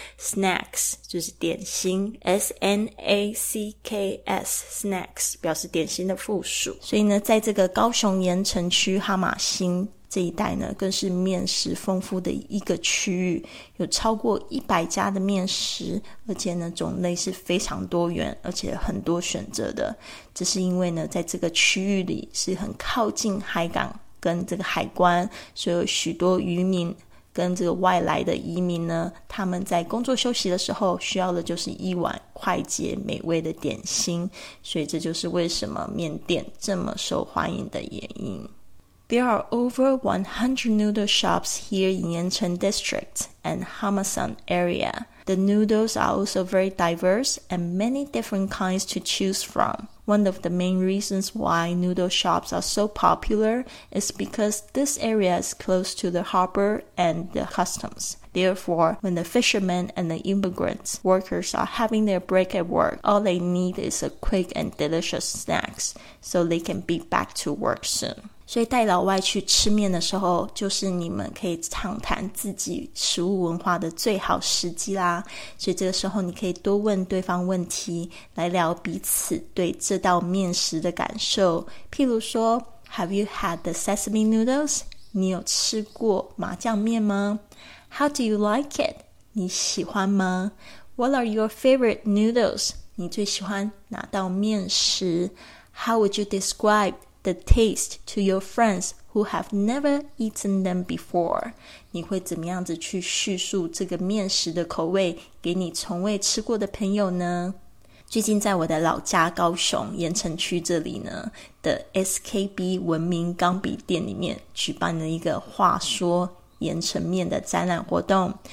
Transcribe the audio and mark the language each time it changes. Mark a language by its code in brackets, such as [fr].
[zh] Snacks 就是点心 S-N-A-C-K-S Snacks 表示点心的复数所以呢在这个高雄盐城区哈马星这一带呢更是面食丰富的一个区域有超过100家的面食而且呢种类是非常多元而且很多选择的这是因为呢在这个区域里是很靠近海港跟这个海关所以有许多渔民跟这个外来的移民呢他们在工作休息的时候需要的就是一碗快捷美味的点心所以这就是为什么面店这么受欢迎的原因 [en] There are over 100 noodle shops here in Yancheng District and Hamasan area. The noodles are also very diverse and many different kinds to choose from. One of the main reasons why noodle shops are so popular is because this area is close to the harbor and the customs. Therefore, when the fishermen and the immigrant workers are having their break at work, all they need is a quick and delicious snacks so they can be back to work soon. [zh] 所以带老外去吃面的时候就是你们可以畅谈自己食物文化的最好时机啦所以这个时候你可以多问对方问题来聊彼此对这道面食的感受譬如说 [en] Have you had the sesame noodles? [zh] 你有吃过麻酱面吗 [en] How do you like it? [zh] 你喜欢吗 [en] What are your favorite noodles? [zh] 你最喜欢哪道面食 [en] How would you describe the taste to your friends who have never eaten them before. [zh] 你会怎么样子去叙述这个面食的口味给你从未吃过的朋友呢？最近在我的老家高雄盐城区这里呢的 SKB 文明钢笔店里面举办了一个话说盐城面的展览活动。